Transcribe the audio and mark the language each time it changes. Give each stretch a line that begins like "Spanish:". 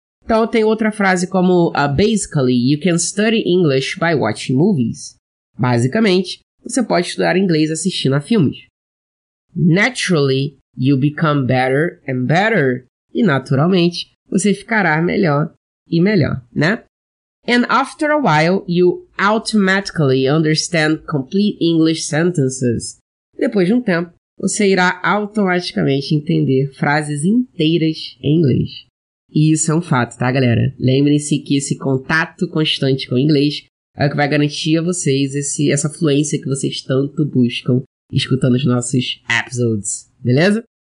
Portuguese: Então, tem outra frase como
English: basically, you can study English by watching movies.
Portuguese: Basicamente, você pode estudar inglês assistindo a filmes.
English: Naturally, you become better and better.
Portuguese: E naturalmente, você ficará melhor e melhor, né?
English: And after a while, you automatically understand complete English sentences.
Portuguese: Depois de um tempo, você irá automaticamente entender frases inteiras em inglês. E isso é um fato, tá, galera? Lembrem-se que esse contato constante com o inglês é o que vai garantir a vocês essa fluência que vocês tanto buscam escutando os nossos episodes, beleza?